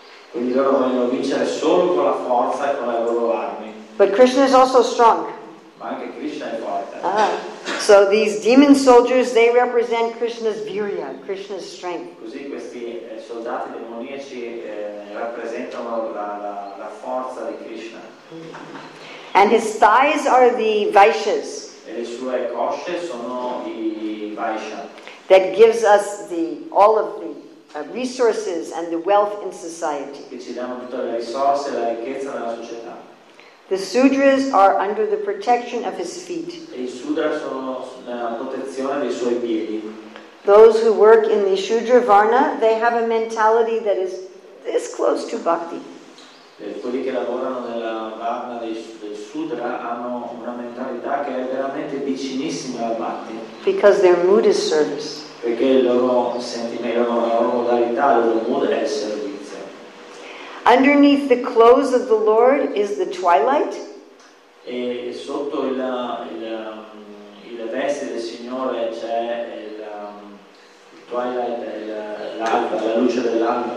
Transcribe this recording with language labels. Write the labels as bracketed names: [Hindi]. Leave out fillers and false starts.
[Italian] Quindi loro vogliono vincere solo con la forza e con le loro armi. [English] But Krishna is also strong. [Italian] Ma anche Krishna è forte. [English] So these demon soldiers, they represent Krishna's virya, Krishna's strength. [Italian] Così questi soldati demoniaci rappresentano la forza di Krishna. [English] And his thighs are the vaishas. [Italian] E le sue cosce sono i vaisha. [English] That gives us all of the resources and the wealth in society. [Italian] Che ci danno tutte le risorse e la ricchezza nella società. [English] The sudras are under the protection of his feet. [Italian] E i sudra sono nella protezione dei suoi piedi. [English] Those who work in the shudra varna, they have a mentality that is this close to bhakti. [Italian] E quelli che lavorano nella varna dei sudra hanno una mentalità che è veramente vicinissima al bhakti. [English] Because their mood is service. [Italian] Perché il loro sentimento, la loro modalità, il loro mood è servizio. [English] Underneath the clothes of the Lord is the twilight. [Italian] E sotto il veste del Signore c'è il twilight, l'alba, la luce dell'alba.